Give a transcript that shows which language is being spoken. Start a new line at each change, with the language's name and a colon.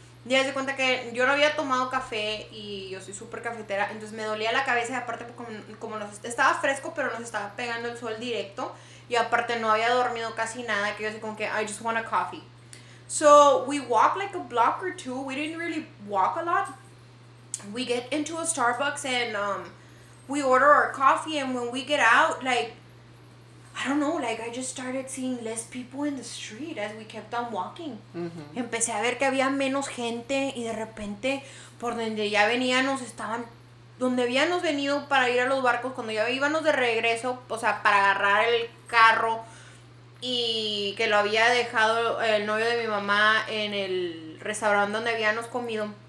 Spanish: Ya se cuenta que yo no había tomado café y yo soy súper cafetera, entonces me dolía la cabeza y aparte como nos estaba fresco, pero nos estaba pegando el sol directo y aparte no había dormido casi nada, que yo así como que
English: I just want a coffee. So we walk like a block or two, we didn't really walk a lot. We get into a Starbucks and we order our coffee, and when we get out, like, I don't know, like, I just started seeing less people in the street as we kept on walking. Mm-hmm.
Spanish: Empecé a ver que había menos gente y de repente, por donde ya veníamos, estaban... Donde habíamos venido para ir a los barcos, cuando ya íbamos de regreso, o sea, para agarrar el carro y que lo había dejado el novio de mi mamá en el restaurante donde habíamos comido.